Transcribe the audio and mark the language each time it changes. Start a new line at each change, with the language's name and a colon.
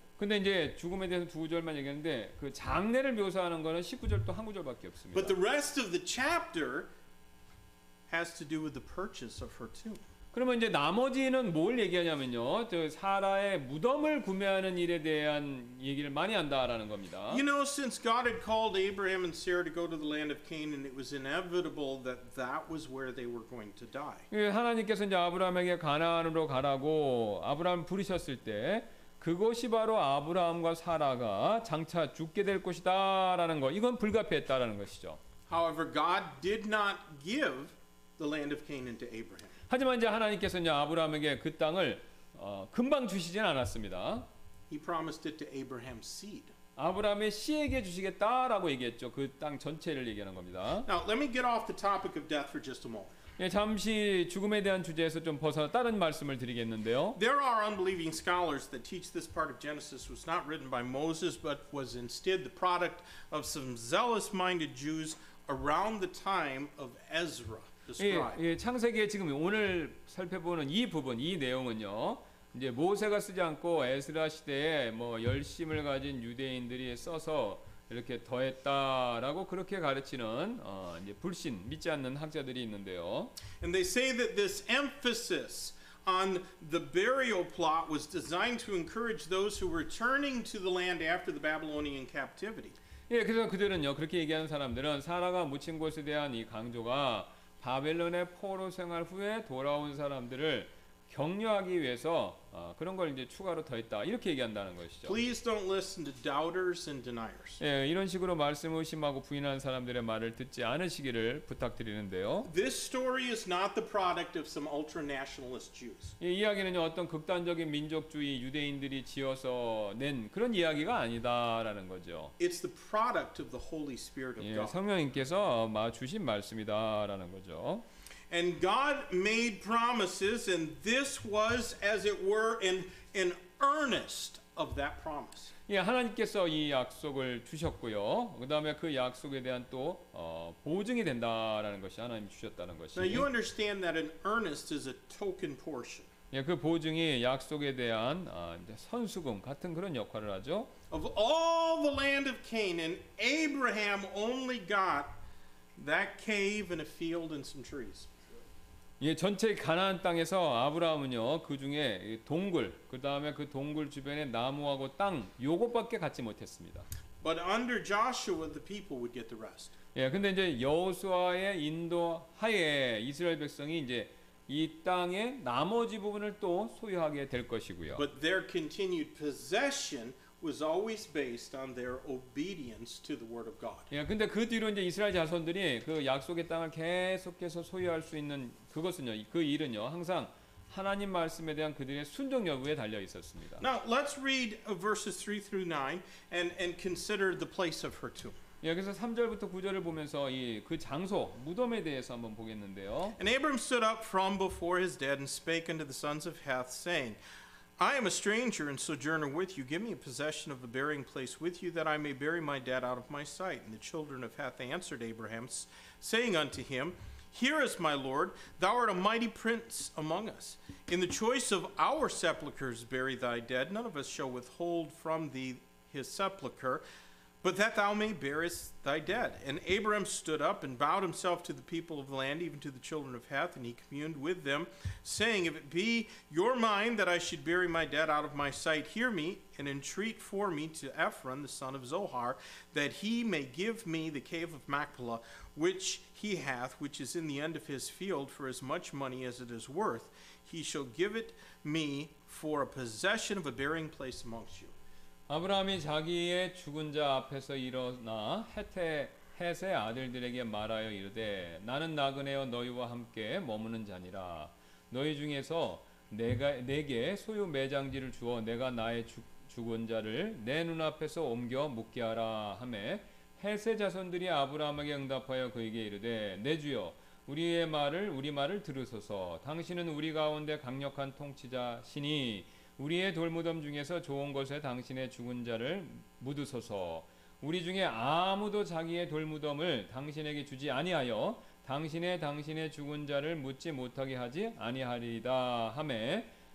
Korean: 근데 이제 죽음에 대해서 두 구절만 얘기했는데 그 장례를 묘사하는 거는 19절 또 한 구절밖에 없습니다.
English: But the rest of the chapter has to do with the purchase of her tomb.
Korean: 그러면 이제 나머지는 뭘 얘기하냐면요. 저 사라의 무덤을 구매하는 일에 대한 얘기를 많이 한다라는 겁니다.
English: You know, since God had called Abraham and Sarah to go to the land of Canaan, it was inevitable that that was where they were going to die.
Korean: 예, 하나님께서 이제 아브라함에게 가나안으로 가라고 아브라함 부르셨을 때 그것이 바로 아브라함과 사라가 장차 죽게 될 것이다라는 거. 이건 불가피했다라는 것이죠.
English: However, God did not give the land of Canaan to Abraham.
Korean: 하지만 이제 하나님께서 이제 아브라함에게 그 땅을 금방 주시진 않았습니다.
English: He promised it to Abraham's seed.
Korean: 아브라함의 씨에게 주시겠다라고 얘기했죠. 그 땅 전체를 얘기하는 겁니다.
English: Now let me get off the topic of death for just a moment.
Korean: 예, 잠시 죽음에 대한 주제에서 좀 벗어나 다른 말씀을 드리겠는데요.
English: There are unbelieving scholars that teach this part of Genesis was not written by Moses but was instead the product of some zealous-minded Jews around the time of Ezra.
Korean: 예, 예, 창세기에 지금 오늘 살펴보는 이 부분, 이 내용은요, 이제 모세가 쓰지 않고 에스라 시대에 뭐 열심을 가진 유대인들이 써서 이렇게 더했다라고 그렇게 가르치는 이제 불신 믿지 않는 학자들이 있는데요.
English: And they say that this emphasis on the burial plot was designed to encourage those who were returning to the land after the Babylonian captivity.
Korean: 예, 그래서 그들은요 그렇게 얘기하는 사람들은 사라가 묻힌 곳에 대한 이 강조가 바벨론의 포로 생활 후에 돌아온 사람들을 격려하기 위해서 그런 걸 이제 추가로 더했다 이렇게 얘기한다는 것이죠.
English: Please don't listen to doubters and deniers.
Korean: 예, 이런 식으로 말씀을 의심하고 부인하는 사람들의 말을 듣지 않으시기를 부탁드리는데요.
English: This story is not the product of some ultra-nationalist Jews.
Korean: 예, 이야기는요 어떤 극단적인 민족주의 유대인들이 지어서 낸 그런 이야기가 아니다라는 거죠.
English: It's the product of the Holy Spirit of God.
Korean: 예, 성령님께서 주신 말씀이다라는 거죠.
English: And God made promises, and this was, as it were, an earnest of that promise.
Korean: 예, 하나님께서 이 약속을 주셨고요. 그다음에 그 약속에 대한 또 보증이 된다라는 것이 하나님이 주셨다는 것이.
English: Now you understand that an earnest is a token portion.
Korean: 예, 그 보증이 약속에 대한 이제 선수금 같은 그런 역할을 하죠.
English: Of all the land of Canaan, Abraham only got that cave and a field and some trees.
Korean: 예, 전체 가나안 땅에서 아브라함은요 그 중에 동굴 그 다음에 그 동굴 주변에 나무하고 땅 요것밖에 갖지 못했습니다.
English: But under Joshua, the people would get the rest.
Korean: 예, 근데 이제 여호수아의 인도 하에 이스라엘 백성이 이제 이 땅의 나머지 부분을 또 소유하게 될 것이고요.
English: But their continued possession was always based on their obedience to the word of God.
Korean: 예, 근데 그 뒤로 이제 이스라엘 자손들이 그 약속의 땅을 계속해서 소유할 수 있는 그것은요, 그 일은요, 항상 하나님 말씀에 대한 그들의 순종 여부에 달려 있었습니다.
English: Now let's read verses 3 through 9 and consider the place of her tomb.
Korean: 예, 그래서 3절부터 9절을 보면서 이 그 장소, 무덤에 대해서 한번 보겠는데요.
English: And Abram stood up from before his dead and spake unto the sons of Heth, saying, I am a stranger and sojourner with you. Give me a possession of a burying place with you, that I may bury my dead out of my sight. And the children of Heth answered Abraham, saying unto him, Here is my Lord, thou art a mighty prince among us. In the choice of our sepulchres bury thy dead. None of us shall withhold from thee his sepulchre, but that thou may bury thy dead. And Abraham stood up and bowed himself to the people of the land, even to the children of Heth, and he communed with them, saying, If it be your mind that I should bury my dead out of my sight, hear me and entreat for me to Ephron, the son of Zohar, that he may give me the cave of Machpelah, which he hath, which is in the end of his field, for as much money as it is worth, he shall give it me for a possession of a burying place amongst you.
Korean: 아브라함이 자기의 죽은 자 앞에서 일어나 헷의 아들들에게 말하여 이르되 나는 나그네여 너희와 함께 머무는 자니라 너희 중에서 내게 소유 매장지를 주어 내가 나의 죽은 자를 내 눈앞에서 옮겨 묻게 하라 하매 헷의 자손들이 아브라함에게 응답하여 그에게 이르되 내 주여 우리 말을 들으소서 당신은 우리 가운데 강력한 통치자시니 우리의 돌무덤 중에서 좋은 곳에 당신의 죽은 자를 묻으소서 우리 중에 아무도 자기의 돌무덤을 당신에게 주지 아니하여 당신의 죽은 자를 묻지 못하게 하지 아니하리이다 하매